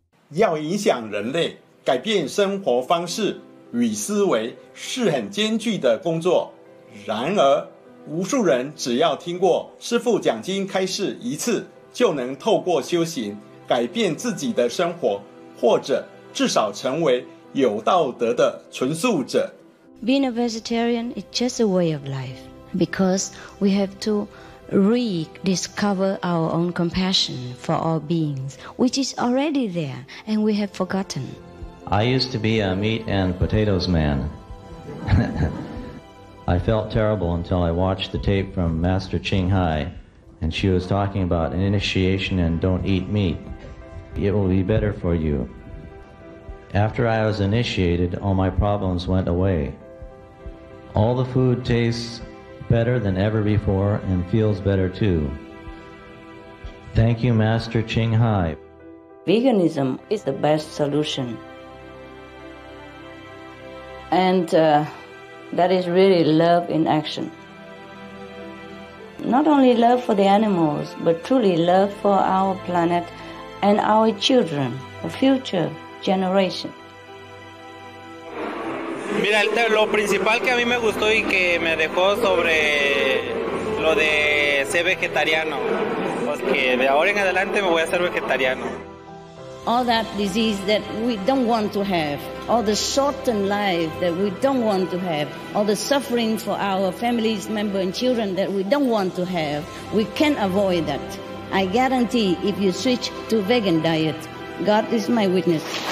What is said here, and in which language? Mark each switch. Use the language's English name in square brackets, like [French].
[Chinese] 要影响人类，改变生活方式与思维是很艰巨的工作。然而，无数人只要听过师父讲经开示一次，就能透过修行改变自己的生活，或者至少成为有道德的纯素者。 [English] Being a vegetarian is just a way of life because we have to rediscover our own compassion for all beings, which is already there and we have forgotten. I used to be a meat and potatoes man. I felt terrible until I watched the tape from Master Ching Hai, and she was talking about an initiation and don't eat meat. It will be better for you. After I was initiated, all my problems went away. All the food tastes better than ever before and feels better too. Thank you, Master Ching Hai. Veganism is the best solution. And, that is really love in action. Not only love for the animals, but truly love for our planet and our children, the future generation. [Spanish] Mira, lo principal que a mí me gustó y que me dejó sobre lo de ser vegetariano, porque de ahora en adelante me voy a ser vegetariano. [English] All that disease that we don't want to have, all the shortened life that we don't want to have, all the suffering for our families, members and children that we don't want to have, we can avoid that. I guarantee if you switch to vegan diet, God is my witness.